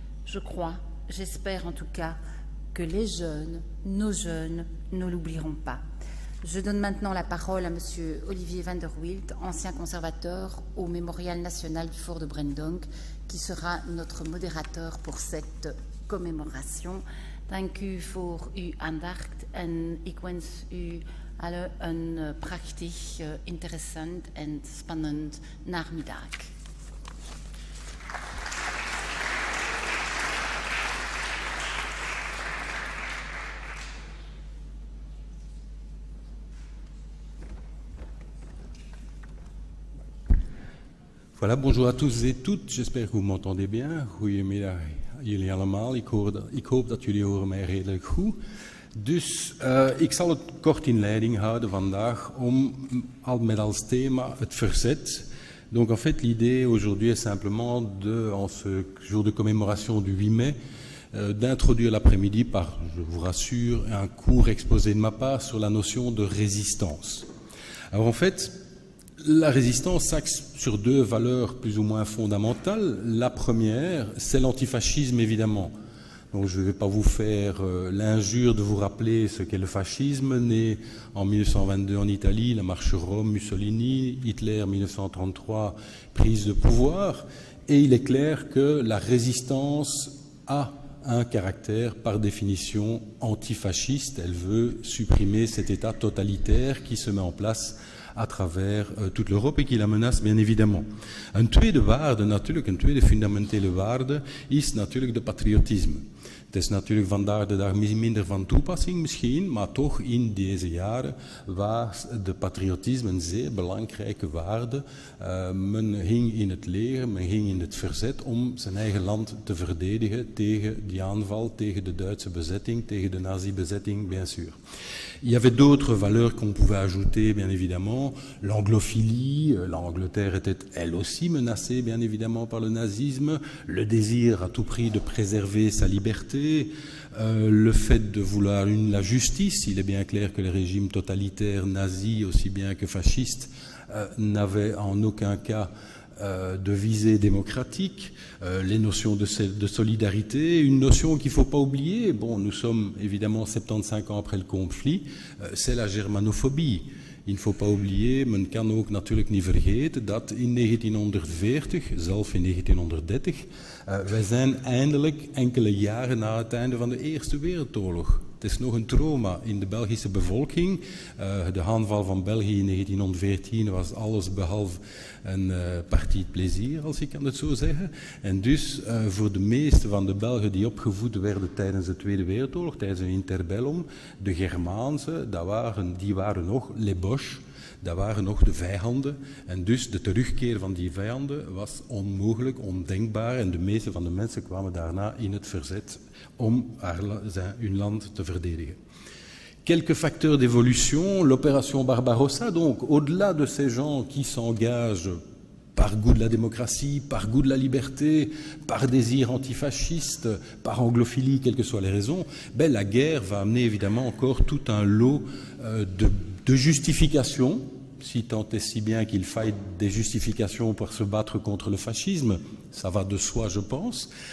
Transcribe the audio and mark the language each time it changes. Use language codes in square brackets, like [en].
[fr] Je crois, j'espère en tout cas, que les jeunes, ne l'oublieront pas. Je donne maintenant la parole à M. Olivier van der Wildt, ancien conservateur au Mémorial national du Fort de Brendonck, qui sera notre modérateur pour cette commémoration. Thank you for your Andacht and ich wünsche you alle einen prachtig, interessant und spannend Nachmittag. Voilà, bonjour à tous et toutes. J'espère que vous m'entendez bien. [nl] Goedemiddag, jullie allemaal. Ik hoop dat jullie horen mij redelijk goed. Dus ik zal het kort in leiding houden vandaag om al met als thema het verzet. [fr] Donc en fait, l'idée aujourd'hui est simplement de, en ce jour de commémoration du 8 mai, d'introduire l'après-midi par, je vous rassure, un court exposé de ma part sur la notion de résistance. Alors en fait, la résistance s'axe sur deux valeurs plus ou moins fondamentales. La première, c'est l'antifascisme, évidemment. Donc je ne vais pas vous faire l'injure de vous rappeler ce qu'est le fascisme, né en 1922 en Italie, la marche sur Rome, Mussolini, Hitler 1933, prise de pouvoir. Et il est clair que la résistance a un caractère par définition antifasciste. Elle veut supprimer cet état totalitaire qui se met en place à travers toute l'Europe et qui la menace, bien évidemment. [nl] Un tweede waarde, natuurlijk, een tweede fundamentele waarde, is natuurlijk de patriotisme. Het is natuurlijk vandaag de dag minder van toepassing misschien, maar toch in deze jaren was de patriotisme een zeer belangrijke waarde. Men ging in het leger, men ging in het verzet om zijn eigen land te verdedigen tegen die aanval, tegen de Duitse bezetting, tegen de nazi-bezetting, [fr] bien sûr. Il y avait d'autres valeurs qu'on pouvait ajouter, bien évidemment. L'anglophilie, l'Angleterre était elle aussi menacée, bien évidemment, par le nazisme. Le désir à tout prix de préserver sa liberté. Le fait de vouloir la justice. Il est bien clair que les régimes totalitaires, nazis, aussi bien que fascistes, n'avaient en aucun cas de visée démocratique, les notions de solidarité, une notion qu'il ne faut pas oublier, bon, nous sommes évidemment 75 ans après le conflit, c'est la germanophobie. Il ne faut pas oublier, [nl] men kan ook natuurlijk niet vergeten, dat in 1940, zelf in 1930, wij zijn eindelijk enkele jaren na het einde van de Eerste Wereldoorlog. Het is nog een trauma in de Belgische bevolking. De aanval van België in 1914 was alles behalve een partie de plezier, als ik kan het zo zeggen. En dus voor de meeste van de Belgen die opgevoed werden tijdens de Tweede Wereldoorlog, tijdens een interbellum, de Germaanse, die waren nog [fr] les Boches, [nl] dat waren nog de vijanden. En dus de terugkeer van die vijanden was onmogelijk, ondenkbaar. En de meeste van de mensen kwamen daarna in het verzet om hun land te verdedigen. [fr] Quelques facteurs d'évolution, l'opération Barbarossa, donc au-delà de ces gens qui s'engagent par goût de la démocratie, par goût de la liberté, par désir antifasciste, par anglophilie, quelles que soient les raisons, ben, la guerre va amener évidemment encore tout un lot de justifications, si tant est si bien qu'il faille des justifications pour se battre contre le fascisme, ça va de soi, je pense.